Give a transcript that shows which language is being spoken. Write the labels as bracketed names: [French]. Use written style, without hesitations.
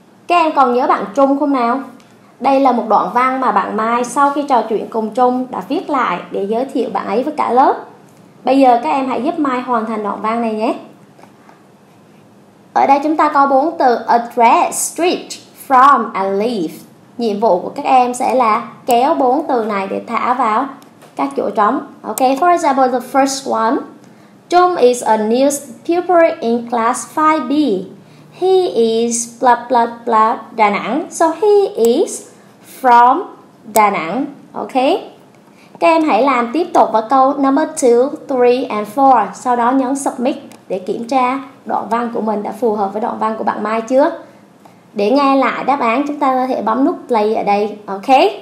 [Vietnamese] Các em còn nhớ bạn Trung không nào? Đây là một đoạn văn mà bạn Mai sau khi trò chuyện cùng Trung đã viết lại để giới thiệu bạn ấy với cả lớp. Bây giờ các em hãy giúp Mai hoàn thành đoạn văn này nhé. Ở đây chúng ta có 4 từ [English] address, street, from and leave. [Vietnamese] Nhiệm vụ của các em sẽ là kéo 4 từ này để thả vào các chỗ trống. [English] Ok, for example, the first one. Trung is a new pupil in class 5B. He is blah blah blah Đà Nẵng. So he is from Đà Nẵng. Ok. [Vietnamese] Các em hãy làm tiếp tục vào câu [English] number 2, 3 and 4. [Vietnamese] Sau đó nhấn submit để kiểm tra đoạn văn của mình đã phù hợp với đoạn văn của bạn Mai chưa. Để nghe lại đáp án chúng ta có thể bấm nút play ở đây. Ok.